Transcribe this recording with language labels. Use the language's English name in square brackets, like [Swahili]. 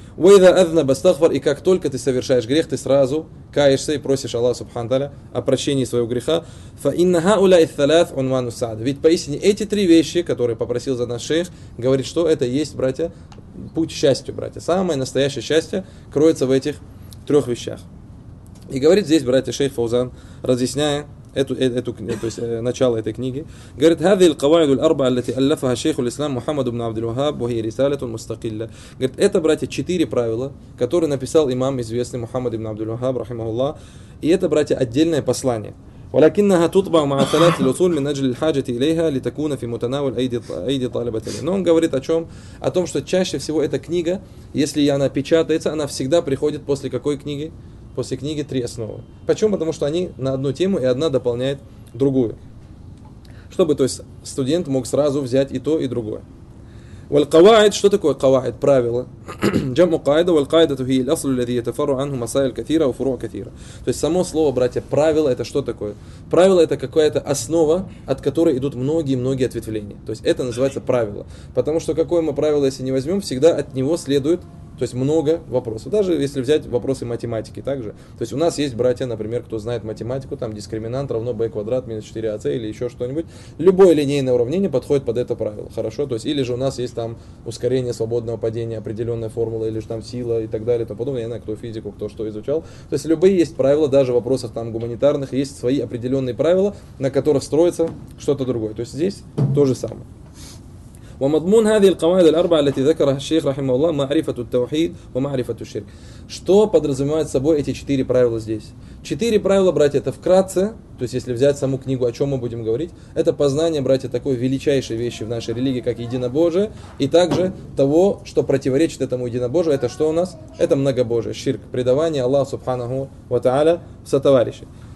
[Arabic] Уа иза азнаба стагфар, [Russian] и как только ты совершаешь грех, ты сразу каешься и просишь Аллаха субхана ва тааля о прощении своего греха. [Arabic] Фа инна хауля ас-саляс унвану саад. [Russian] Ведь поистине эти три вещи, которые попросил за нас шейх, говорит, что это есть, братья, путь к счастью, братья. Самое настоящее счастье кроется в этих трех вещах. И говорит здесь, братья, шейх Фаузан, разъясняя начало этой книги, говорит, [Arabic] هذه القواعد الأربعة التي ألفها شيخ الإسلام محمد بن عبد الوهاب وهي رسالة مستقلة. [Russian] Говорит, это, братья, четыре правила, которые написал имам известный Мухаммад ибн Абдул Вахаб, рахимахуллах, и это, братья, отдельное послание. [Arabic] ولكنها تطبع مع ثلاث الأصول من أجل الحاجة إليها لتكون في متناول أيدي طالبة العلم. [Russian] Но он говорит о чем? О том, что чаще всего эта книга, если она печатается, она всегда приходит после какой книги? После книги «Три основы». Почему? Потому что они на одну тему, и одна дополняет другую. Чтобы, то есть, студент мог сразу взять и то, и другое. والقواعد, что такое قواعد? Правила. [Arabic] جمع قاعدة والقاعدة هي الأصل الذي يتفرع عنه مسائل كثيرة وفروع كثيرة. [Russian] То есть, само слово, братья, правило, это что такое? Правило – это какая-то основа, от которой идут многие-многие ответвления. То есть, это называется правило. Потому что какое мы правило, если не возьмем, всегда от него следует, то есть много вопросов. Даже если взять вопросы математики также. То есть у нас есть братья, например, кто знает математику, там дискриминант равно b квадрат минус 4ac или еще что-нибудь. Любое линейное уравнение подходит под это правило. Хорошо? То есть или же у нас есть там ускорение свободного падения, определенная формула, или же там сила и так далее, и тому подобное. Я не знаю, кто физику, кто что изучал. То есть любые есть правила, даже в вопросах там гуманитарных, есть свои определенные правила, на которых строится что-то другое. То есть здесь то же самое. [Arabic] ومضمون هذه القواعد الأربعة التي ذكرها الشيخ رحمه الله معرفة التوحيد ومعرفة الشرك. [Russian] Что подразумевает собой эти четыре правила здесь? Четыре правила, братья, это вкратце, то есть если взять саму книгу, о чем мы будем говорить, это познание, братья, такой величайшей вещи в нашей религии, как единобожие, и также того, что противоречит этому единобожию, это что у нас? Это многобожие, ширк, предавание Аллаха субханаху ва тааля в сотоварищи.